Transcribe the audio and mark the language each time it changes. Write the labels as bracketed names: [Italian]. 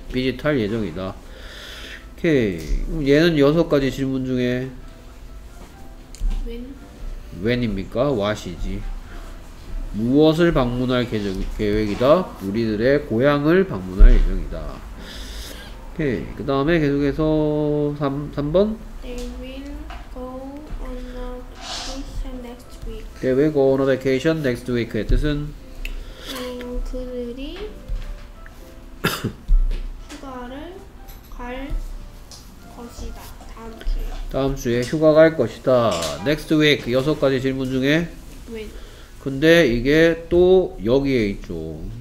[Korean] visit 할 예정이다. 오케이. 그럼 얘는 여섯 가지 질문 중에 [English] when? [Korean] when입니까? what이지. 무엇을 방문할 계획이다? 우리들의 고향을 방문할 예정이다. 오케이. 그 다음에 계속해서 3번? [English] They will go on a vacation next week. They will go on a vacation next week. [Korean] 뜻은? 그들이 휴가를 갈 것이다. 다음 주에. 다음 주에 휴가 갈 것이다. [English] Next week. [Korean] 여섯 가지 질문 중에. [English] When. [Korean] 근데 이게 또 여기에 있죠.